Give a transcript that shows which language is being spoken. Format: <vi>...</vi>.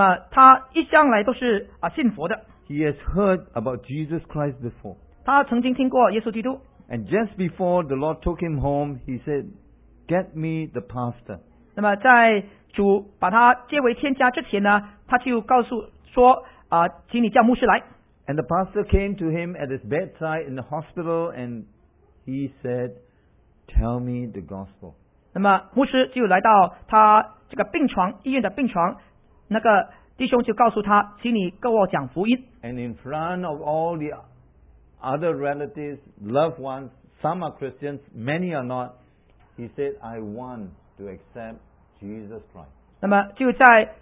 <zh>那在他还没有去世之前呢，他有患上这个严重的末期癌症，那么他一向来都是信佛的。</zh> <en>He has heard about Jesus Christ before.</en> <zh>他曾经听过耶稣基督。</zh> <en>And just before the Lord took him home, he said, "Get me the pastor."</en> <zh>那么在 主把他接为天家之前呢，他就告诉说，请你叫牧师来。</zh> <en>And the pastor came to him at his bedside in the hospital, and he said, "Tell me the gospel."</en> <zh>那么牧师就来到他这个病床，医院的病床，那个弟兄就告诉他，请你跟我讲福音。</zh> <en>And in front of all the other relatives, loved ones, some are Christians, many are not, he said, "I want to accept Jesus Christ."</en>